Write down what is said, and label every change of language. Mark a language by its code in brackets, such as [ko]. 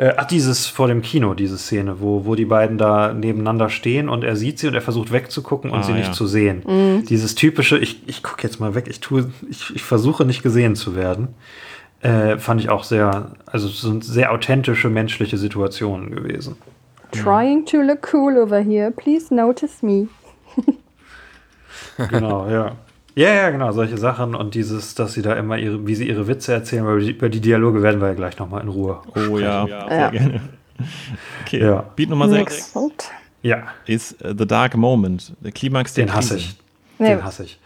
[de] Dieses vor dem Kino, diese Szene, wo die beiden da nebeneinander stehen und er sieht sie und er versucht wegzugucken und sie nicht zu sehen. Mhm. Dieses typische, ich gucke jetzt mal weg, ich versuche nicht gesehen zu werden. Fand ich auch sehr, also es sind sehr authentische menschliche Situationen gewesen. [en] Trying to look cool over here, please notice me. [de] Genau, ja. Ja, genau, solche Sachen und dieses, dass sie da immer ihre, wie sie ihre Witze erzählen, weil über die Dialoge werden wir ja gleich nochmal in Ruhe sprechen. Oh ja, sehr gerne. Okay, ja. Beat Nummer 6. Ja. Ist The Dark Moment, der Klimax der Krise. Den hasse ich. Nee. Den hasse ich.